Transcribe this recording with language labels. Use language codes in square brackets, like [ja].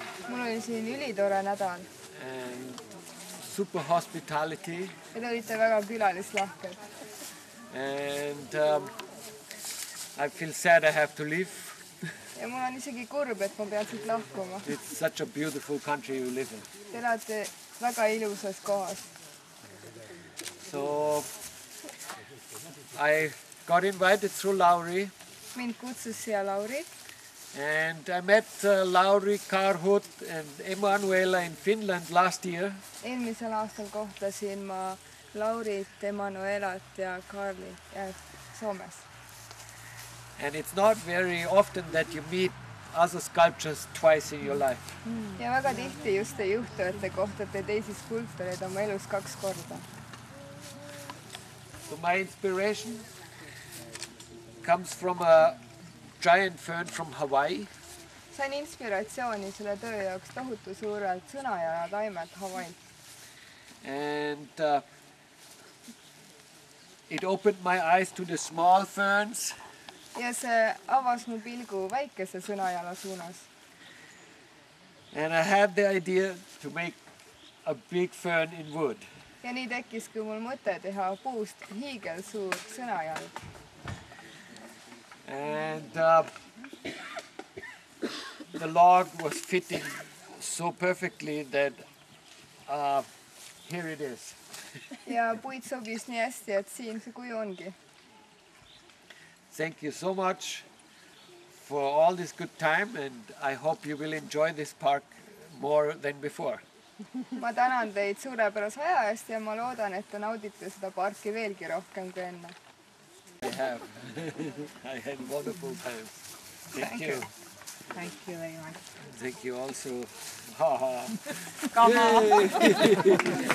[et] Mul oli siin ülitore nädal. [en] And super hospitality. [et] Te olite väga külalislahked. [en] And I feel sad I have to leave. [et] Ja mul on isegi kurb, et ma pean siit lahkuma. [en] It's such a beautiful country you live in. [et] Te elate väga ilusas kohas. [en] So I got invited through Lauri. [et] Mind kutsus siia Lauri. [en] And I met Lauri Karhut and Emanuela in Finland last year. [et] Eelmisel aastal kohtasin ma Laurit, Emanuelat ja Karli Soomes. [en] And it's not very often that you meet other sculptures twice in your life. [et] Ja väga tihti just ei juhtu, et te kohtate teisi skulptoreid oma elus kaks korda. [en] So my inspiration comes from a giant fern from Hawaii. [et] Sain inspiratsiooni selle töö jaoks tohutu suurelt sõnajala taimelt Hawaii. [en] And it opened my eyes to the small ferns. [et] Ja see avas mu pilgu väikese sõnajala suunas. [en] And I had the idea to make a big fern in wood. [et] Ja nii tekkis, kui mul mõte teha puust hiigel suur sõnajal. [en] And the log was fitting so perfectly that here it is. [et] Ja puid sobis nii hästi, et siin see kuju ongi. [en] Thank you so much for all this good time and I hope you will enjoy this park more than before. [et] Ma tänan teid suurepäras aja eest ja ma loodan, et te naudite seda parki veelgi rohkem kui enne. [en] I have. I had wonderful time. Thank you. Thank you very much. Thank you also. Ha ha. Come on.